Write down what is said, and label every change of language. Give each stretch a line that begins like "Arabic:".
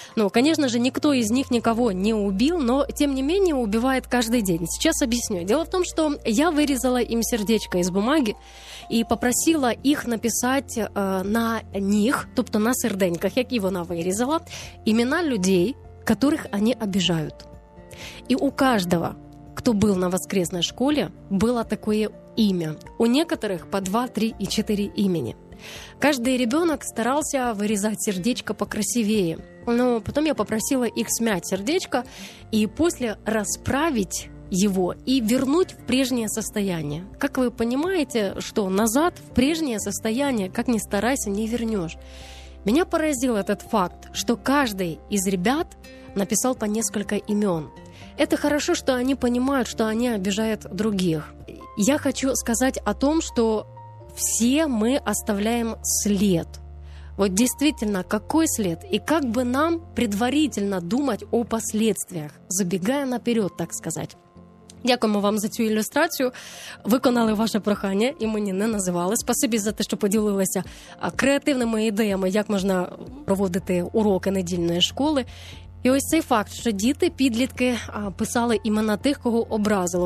Ukrainian: Ну, звісно ж, ніхто із них нікого не убив, но, тим не менше, убиває кожен день. Зараз об'ясню. Діло в тому, що я вирізала їм сердечко із бумаги і попросила їх написати на них, тобто на серденьках, які вона вирізала, імена людей, яких вони обіжають. І у кожного,
Russian: кто был на воскресной школе, было такое имя. У некоторых по 2, 3 и 4 имени. Каждый ребенок старался вырезать сердечко покрасивее. Но потом я попросила их смять сердечко и после расправить его и вернуть в прежнее состояние. Как вы понимаете, что назад в прежнее состояние, как ни старайся, не вернешь. Меня поразил этот факт, что каждый из ребят написал по несколько имен. Это хорошо, что они понимают, что они обижают других. Я хочу сказать о том, что все мы оставляем след. Вот действительно, какой след? И как бы нам предварительно думать о последствиях, забегая наперед, так сказать?
Ukrainian: Дякуємо вам за цю ілюстрацію. Виконали ваше прохання, і мені не називали. Спасибі за те, що поділилися креативними ідеями, як можна проводити уроки недільної школи. І ось цей факт, що діти, підлітки писали імена тих, кого образило.